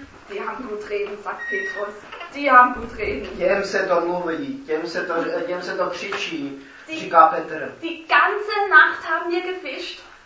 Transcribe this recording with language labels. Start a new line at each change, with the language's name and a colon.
German: Die haben gut reden, sagt Petrus. Die haben gut reden.
Czech: Těm se to mluví, těm se to křičí, die, říká Petr.
German: Die ganze Nacht haben wir gefischt.